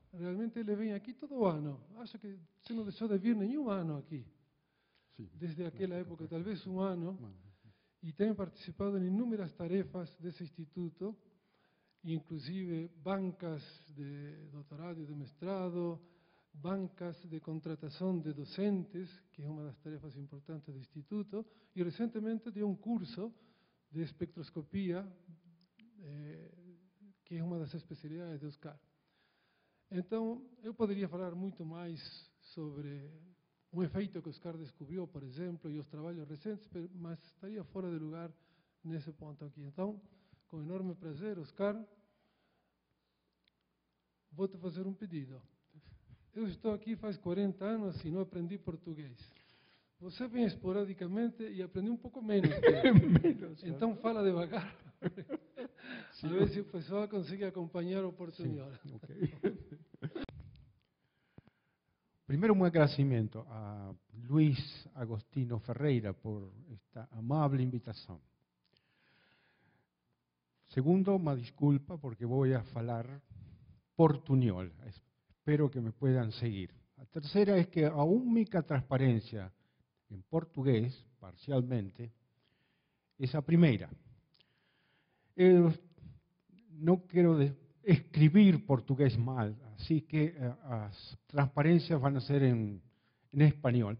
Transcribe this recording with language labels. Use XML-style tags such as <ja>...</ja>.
<es>Realmente le viene aquí todo año.</es> <pt>Acho que</pt> <es>se no dejó de venir ni un año aquí, desde aquella época, tal vez un año, y tiene participado en innumerables tareas de ese instituto, inclusive bancas de doctorado y de mestrado, bancas de contratación de docentes, que es una de las tareas importantes del instituto, y recientemente dio un curso de espectroscopía</es> <pt>que é uma das especialidades de Oscar. Então, eu poderia falar muito mais sobre um efeito que Oscar descobriu, por exemplo, e os trabalhos recentes, mas estaria fora de lugar nesse ponto aqui. Então, com enorme prazer, Oscar, vou te fazer um pedido. Eu estou aqui faz 40 anos e não aprendi português. Você vem esporadicamente e aprende um pouco menos. Então fala devagar. A ver se o pessoal consegue acompanhar o português.</pt> <en>Okay.</en> <pt>Primeiro, um agradecimento a Luiz Agostino Ferreira por esta amável invitação. Segundo, uma desculpa porque vou falar portuñol.</pt> <es>Espero que me puedan seguir. La tercera es que</es> <pt>a única</pt> <es>transparencia en portugués, parcialmente, es a primera. No quiero escribir portugués mal, así que las transparencias van a ser en español.</es>